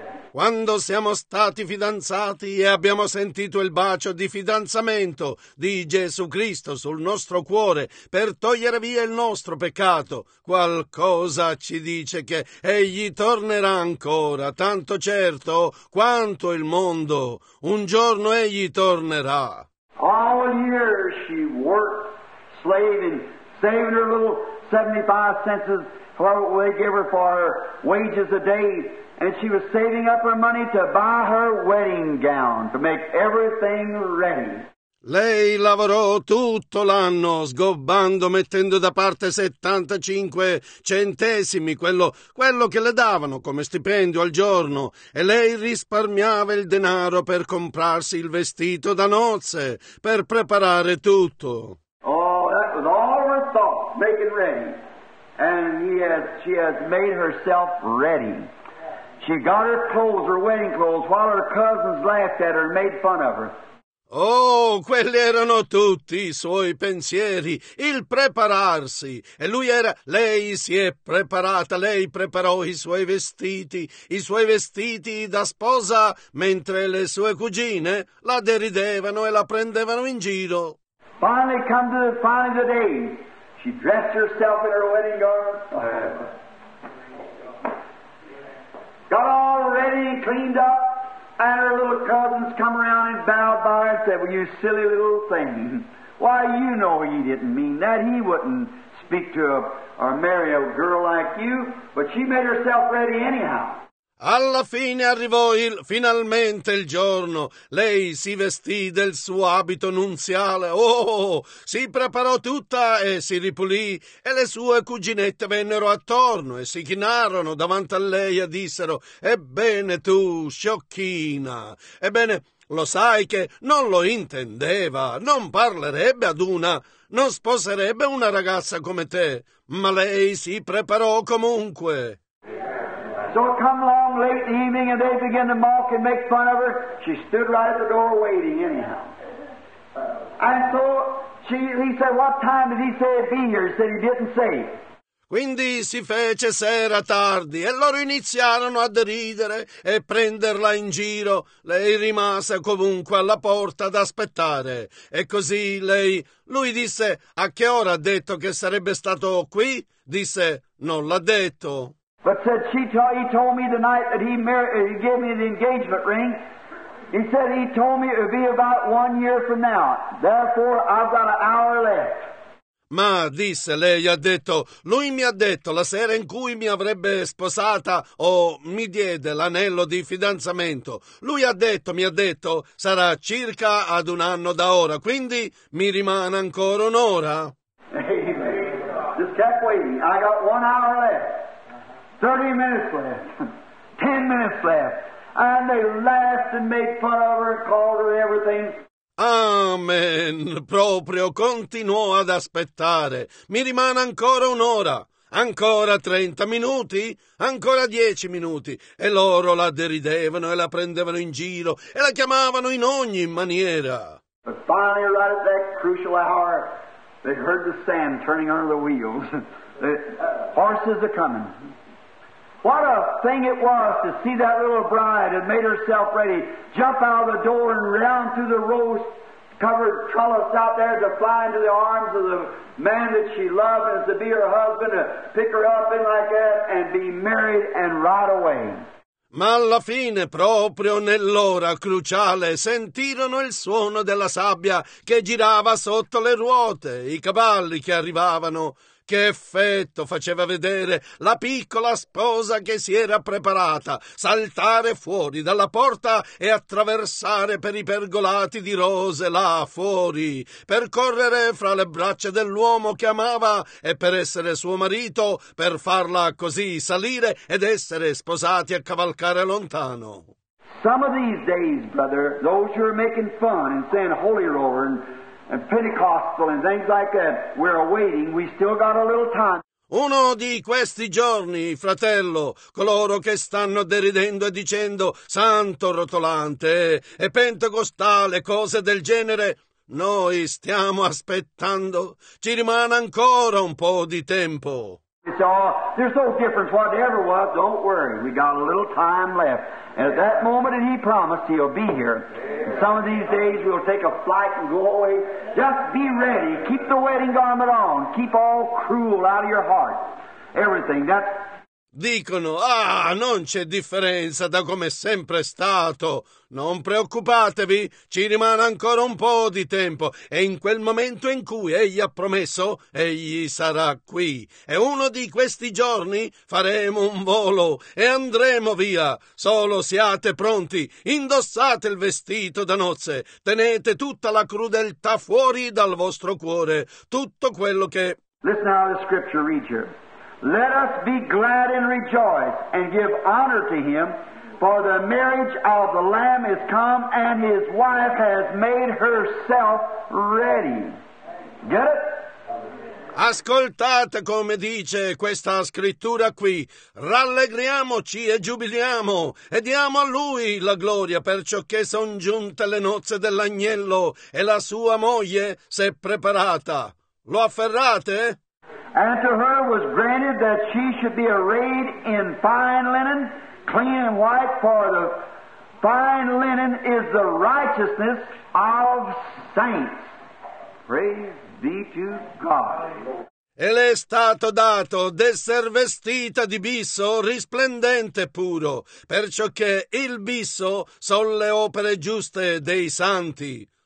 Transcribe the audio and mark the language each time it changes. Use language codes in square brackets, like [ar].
[it] Quando siamo stati fidanzati e abbiamo sentito il bacio di fidanzamento di Gesù Cristo sul nostro cuore per togliere via il nostro peccato, qualcosa ci dice che Egli tornerà ancora, tanto certo quanto il mondo. Un giorno Egli tornerà. [en] All year she worked, slaving, saving her little 75 cents, whatever they gave her for her wages a day. And she was saving up her money to buy her wedding gown, to make everything ready. [it] Lei lavorò tutto l'anno, sgobbando, mettendo da parte 75 centesimi, quello che le davano come stipendio al giorno, e lei risparmiava il denaro per comprarsi il vestito da nozze, per preparare tutto. [en] Oh, that was all her thought, making ready. And she has made herself ready. She got her clothes, her wedding clothes, while her cousins laughed at her and made fun of her. [it] Oh, quelli erano tutti i suoi pensieri, il prepararsi. E lei si è preparata, lei preparò i suoi vestiti da sposa, mentre le sue cugine la deridevano e la prendevano in giro. [en] Finally the day. She dressed herself in her wedding garment. Got all ready and cleaned up, and her little cousins come around and bowed by her and said, "Well, you silly little thing. Why, you know he didn't mean that. He wouldn't speak to or marry a girl like you." But she made herself ready anyhow. [it] Alla fine arrivò finalmente il giorno. Lei si vestì del suo abito nuziale. Oh, si preparò tutta e si ripulì. E le sue cuginette vennero attorno e si chinarono davanti a lei e dissero: «Ebbene tu, sciocchina, ebbene, lo sai che non lo intendeva. Non parlerebbe ad una, non sposerebbe una ragazza come te». Ma lei si preparò comunque. [en] So it come along late in the evening and they begin to mock and make fun of her. She stood right at the door waiting anyhow. And so he said, "What time did he say it'd be here?" He said he didn't say. [it] Quindi si fece sera tardi e loro iniziarono a deridere e prenderla in giro. Lei rimase comunque alla porta ad aspettare. E così lui disse: "A che ora ha detto che sarebbe stato qui?" Disse: "Non l'ha detto." [en] But said he told me the night that he gave me the engagement ring. He said he told me it would be about 1 year from now. Therefore, I've got an hour left. [it] Ma disse lei, ha detto, lui mi ha detto la sera in cui mi avrebbe sposata o mi diede l'anello di fidanzamento. Lui ha detto, mi ha detto, sarà circa ad un anno da ora. Quindi mi rimane ancora un'ora. [en] Amen. Just kept waiting. I got 1 hour left. 30 minutes left, 10 minutes left, and they laughed and made fun of her and called her everything. Amen. [it] Proprio continuò ad aspettare. Mi rimane ancora un'ora, ancora 30 minuti, ancora 10 minuti. E loro la deridevano e la prendevano in giro e la chiamavano in ogni maniera. [en] But finally, right at that crucial hour, they heard the sand turning under the wheels. The horses are coming. What a thing it was to see that little bride had made herself ready, jump out of the door and round through the rose-covered trellis out there to fly into the arms of the man that she loved and to be her husband, to pick her up in like that and be married and ride away. [it] Ma alla fine, proprio nell'ora cruciale, sentirono il suono della sabbia che girava sotto le ruote, i cavalli che arrivavano. Che effetto faceva vedere la piccola sposa che si era preparata saltare fuori dalla porta e attraversare per i pergolati di rose là fuori, per correre fra le braccia dell'uomo che amava e per essere suo marito, per farla così salire ed essere sposati a cavalcare lontano. [en] Some of these days, brother, those who are making fun and saying holy roller and Pentecostal and things like that, we're waiting, we still got a little time. [it] Uno di questi giorni, fratello, coloro che stanno deridendo e dicendo santo rotolante e pentecostale, cose del genere, noi stiamo aspettando, ci rimane ancora un po' di tempo. [en] There's no difference whatever was, don't worry, we got a little time left. And at that moment that he promised, he'll be here. And some of these days we'll take a flight and go away. Just be ready. Keep the wedding garment on. Keep all cruel out of your heart. Everything. [it] Dicono, ah, non c'è differenza da come è sempre stato. Non preoccupatevi, ci rimane ancora un po' di tempo. E in quel momento in cui egli ha promesso, egli sarà qui. E uno di questi giorni faremo un volo e andremo via. Solo siate pronti, indossate il vestito da nozze. Tenete tutta la crudeltà fuori dal vostro cuore. Tutto quello che... [en] Listen now to the scripture, read here. Let us be glad and rejoice and give honor to him, for the marriage of the Lamb is come and his wife has made herself ready. Get it? [it] Ascoltate come dice questa scrittura qui. Rallegriamoci e giubiliamo e diamo a lui la gloria, perciò che son giunte le nozze dell'agnello e la sua moglie si è preparata. Lo afferrate? [en] And to her was granted that she should be arrayed in fine linen, clean and white, for the fine linen is the righteousness of saints. Praise be to God. [it] E le è stato dato d'esser vestita di bisso risplendente puro, perciò che il bisso son le opere giuste dei santi.